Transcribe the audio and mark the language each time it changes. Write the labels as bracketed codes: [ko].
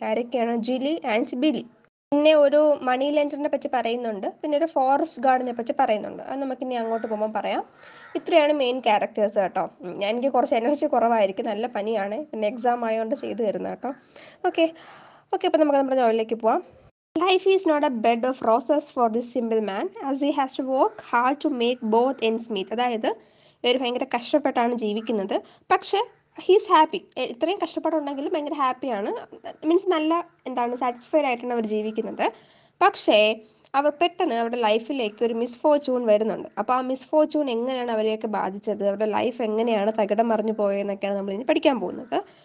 [ml] ആരൊക്കെയാണ് ജിലി ആൻഡ് ബിലി? പിന്നെ ഒരു മണി ലെൻഡറിനെ പറ്റി പറയുന്നുണ്ട്, പിന്നെ ഒരു ഫോറസ്റ്റ് ഗാർഡിനെ പറ്റി പറയുന്നുണ്ട്. അത് നമുക്കിനി അങ്ങോട്ട് പോകുമ്പോൾ പറയാം. ഇത്രയാണ് മെയിൻ ക്യാരക്ടേഴ്സ് കേട്ടോ. എനിക്ക് കുറച്ച് എനർജി കുറവായിരിക്കും, നല്ല പനിയാണ്, പിന്നെ എക്സാം ആയതുകൊണ്ട് ചെയ്തു തരുന്നത് കേട്ടോ. ഓക്കെ ഓക്കെ, അപ്പോൾ നമുക്ക് നമ്മുടെ നോവലിലേക്ക് പോവാം. [en] Life is not a bed of roses for this simple man, as he has to work hard to make both ends meet. [ml] അതായത് ഇവർ ഭയങ്കര കഷ്ടപ്പെട്ടാണ് ജീവിക്കുന്നത്, പക്ഷേ [en] He is happy. [ml] ഇത്രയും കഷ്ടപ്പെട്ടുണ്ടെങ്കിലും ഭയങ്കര ഹാപ്പിയാണ്, മീൻസ് നല്ല എന്താണ് സാറ്റിസ്ഫൈഡ് ആയിട്ടാണ് അവർ ജീവിക്കുന്നത്. പക്ഷേ അവർ പെട്ടെന്ന് അവരുടെ ലൈഫിലേക്ക് ഒരു മിസ്ഫോർച്യൂൺ വരുന്നുണ്ട്. അപ്പോൾ ആ മിസ്ഫോർച്യൂൺ എങ്ങനെയാണ് അവരെയൊക്കെ ബാധിച്ചത്, അവരുടെ ലൈഫ് എങ്ങനെയാണ് തകിടം മറിഞ്ഞു പോയെന്നൊക്കെയാണ് നമ്മൾ ഇനി പഠിക്കാൻ പോകുന്നത്.